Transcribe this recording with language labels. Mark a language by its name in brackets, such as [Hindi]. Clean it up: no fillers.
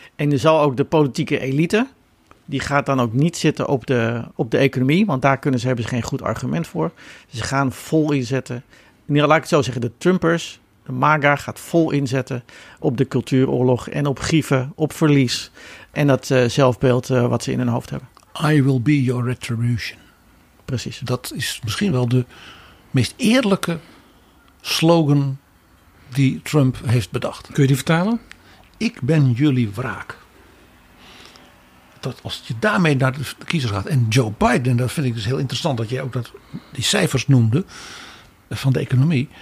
[Dutch] En er zal ook de politieke elite, die gaat dan ook niet zitten op de economie. Want daar hebben ze geen goed argument voor. Ze gaan vol inzetten. Laat ik het zo zeggen, de Trumpers. De MAGA gaat vol inzetten op de cultuuroorlog en op grieven, op verlies en dat zelfbeeld wat ze in hun hoofd hebben. [English] I will be your retribution. [Dutch] precies. Dat is misschien wel de meest eerlijke slogan die Trump heeft bedacht. Kun je die vertalen? Ik ben jullie wraak. Dat als je daarmee naar de kiezers gaat. En Joe Biden, dat vind ik dus heel interessant dat jij ook dat die cijfers noemde van de economie.